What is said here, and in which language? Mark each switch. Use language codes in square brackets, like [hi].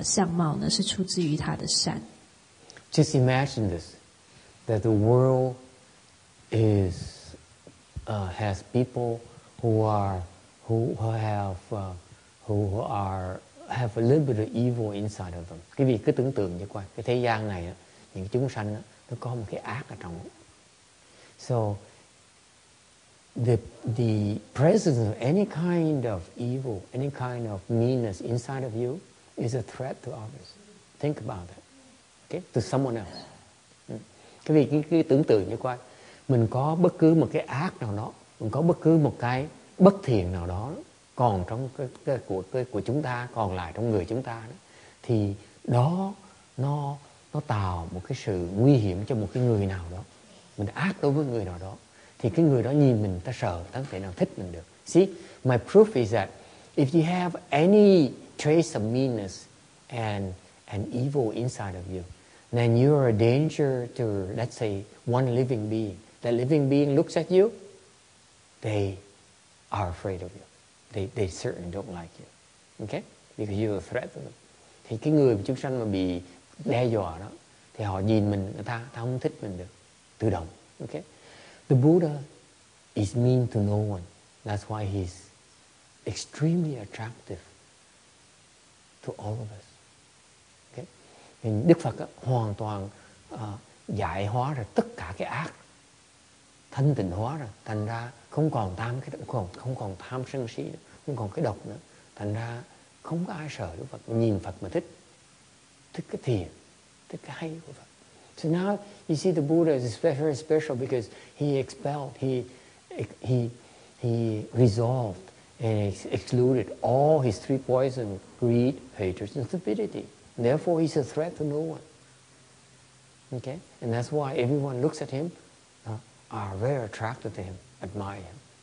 [zh] 所以法师说，他相信这个一个人呢，如果是非常的善的话，极端的善的话，他的是有他吸引人的地方。所以佛的这个相貌呢，是出自于他的善。 [en] Just imagine this, that the world has people who have a little bit of evil inside of them. [vi] Cái vị cứ tưởng tượng như qua cái thế gian này á, những chúng sanh á, nó có một cái ác ở trong. [en] So the presence of any kind of evil, any kind of meanness inside of you is a threat to others. Think about that. Okay, to someone else. [vi] Cái vị cứ tưởng tượng như qua mình có bất cứ một cái ác nào đó, mình có bất cứ một cái bất thiện nào đó còn trong cái của chúng ta, còn lại trong người chúng ta đó, thì đó nó tạo một cái sự nguy hiểm cho một cái người nào đó. Mình ác đối với người nào đó thì cái người đó nhìn mình ta sợ, ta không thể nào thích mình được. [en] See, my proof is that if you have any trace of meanness and evil inside of you, then you are a danger to, let's say, one living being. That living being looks at you, they are afraid of you. They certainly don't like you. Okay? Because you're a threat to them. [vi] Thì cái người chúng sanh mà bị đe dọa đó, thì họ nhìn mình, người ta không thích mình được. Tự động. [en] Okay? The Buddha is mean to no one. That's why he's extremely attractive to all of us. Okay? [vi] Thì Đức Phật hoàn toàn giải hóa ra tất cả cái ác. Thanh tịnh hóa ra, thành ra không còn tham sân si nữa, không còn cái độc nữa, thành ra không có ai sợ Đức Phật, nhìn Phật mà thích cái thiện, thích cái hay của Phật. [en] So now you see the Buddha is very special because he expelled, he resolved and excluded all his three poisons, greed, hatred, and stupidity. Therefore, he's a threat to no one. Okay, and that's why everyone looks at him, are very attracted to him, admire him.